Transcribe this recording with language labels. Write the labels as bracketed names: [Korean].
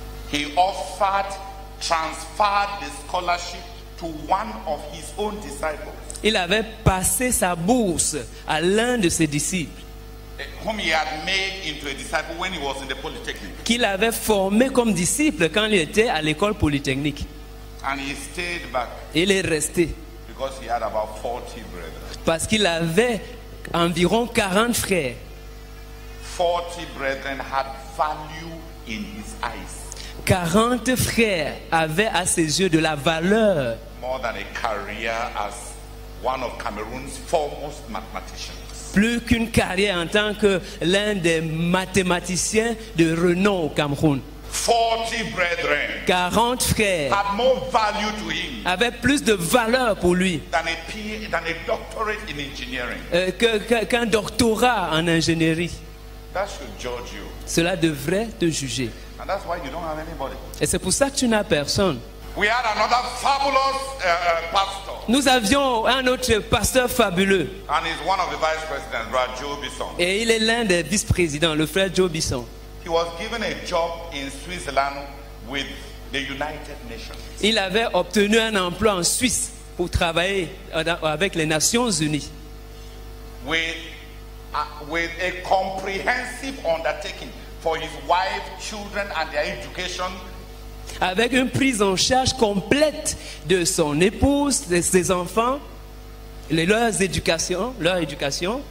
[English] He offered, transferred the scholarship to one of his own disciples. [French] Il avait passé sa bourse à l'un de ses disciples. [English] Whom he had made into a disciple when he was in the polytechnic. [French] Qu'il avait formé comme disciple quand il était à l'école polytechnique. [English] And he stayed back. [French] Il est resté. [English] Because he had about 40 brethren. [French] Parce qu'il avait environ 40 frères. [English] 40 brethren had value in his eyes. [French] 40 frères avaient à ses yeux de la valeur. [English] More than a career as one of Cameroon's foremost mathematicians. [French] Plus qu'une carrière en tant que l'un des mathématiciens de renom au Cameroun. [English] 40 brethren. [French] 40 frères [English] had more value to him [French] avaient plus de valeur pour lui [English] than a doctorate in engineering. [French] Qu'un doctorat en ingénierie. [English] That should judge you. [French] Cela devrait te juger. [English] And that's why you don't have anybody. [French] Et c'est pour ça que tu n'as personne. [English] We had another fabulous, pastor. [French] Nous avions un autre pasteur fabuleux. [English] And he's one of the vice presidents, Brad Joe Bisson. [French] Et il est l'un des vice-présidents, le frère Joe Bisson. [English] He was given a job in Switzerland with the United Nations. [French] Il avait obtenu un emploi en Suisse pour travailler avec les Nations Unies. [English] With a comprehensive undertaking. For his wife, children, and their education. [French] Avec une prise en charge complète de son épouse, de ses enfants, leur éducation.